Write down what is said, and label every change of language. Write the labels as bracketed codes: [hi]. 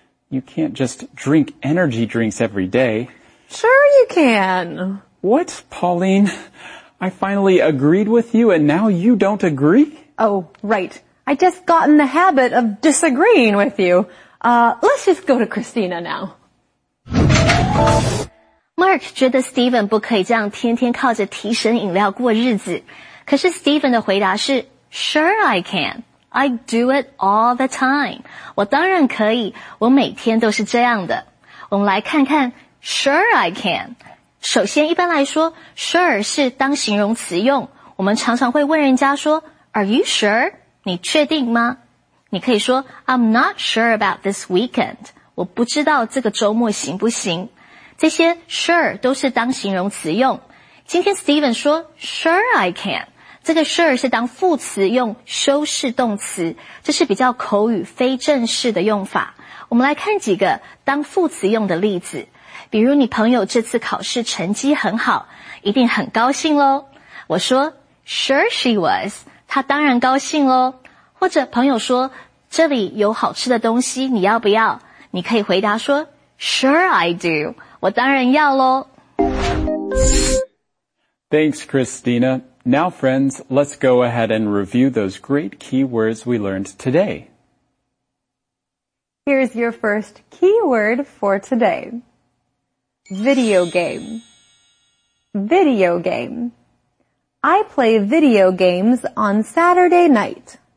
[en] You can't just drink energy drinks every day. Sure you can. What, Pauline? I finally agreed with you and now you don't agree? Oh, right. I just got in the habit of disagreeing with you. Let's just go to Christina now. [zh] Mark 觉得 Stephen 不可以这样天天靠着提神饮料过日子。可是 Stephen 的回答是 [en] Sure I can. I do it all the time. [zh] 我当然可以。我每天都是这样的。我们来看看 [en] Sure I can. [zh] 首先，一般来说 ，sure 是当形容词用。我们常常会问人家说 ， [en] Are you sure？ [zh] 你确定吗？你可以说 [en] ，I'm not sure about this weekend。 [zh] 我不知道这个周末行不行。这些 sure 都是当形容词用。今天 Steven 说 ， [en] Sure I can。 [zh] 这个 sure 是当副词用修饰动词，这是比较口语非正式的用法。我们来看几个当副词用的例子。比如你朋友这次考试成绩很好，一定很高兴咯。我说 , [en] sure she was, [zh] 她当然高兴咯。或者朋友说这里有好吃的东西你要不要，你可以回答说 , [en] sure I do, [zh] 我当然要咯。 [en] Thanks, Christina. Now, friends, let's go ahead and review those great keywords we learned today. Here's your first keyword for today. Video game. Video game. I play video games on Saturday night.